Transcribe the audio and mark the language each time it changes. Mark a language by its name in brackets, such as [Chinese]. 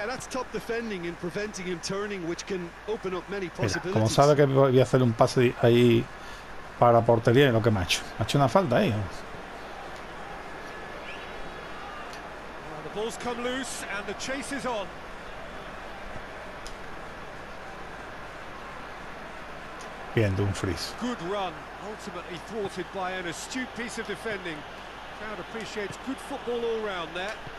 [English] Top defending and preventing him turning, which can open up many possibilities. [Spanish] Mira, como sabe que voy a hacer un pase ahí para portería, lo que me ha hecho una falta ahí. [English] The ball's come loose and the chase is on. [Spanish] Bien, Dumfries. [English] Good run, ultimately thwarted by an astute piece of defending. Crowd appreciates good football all round there.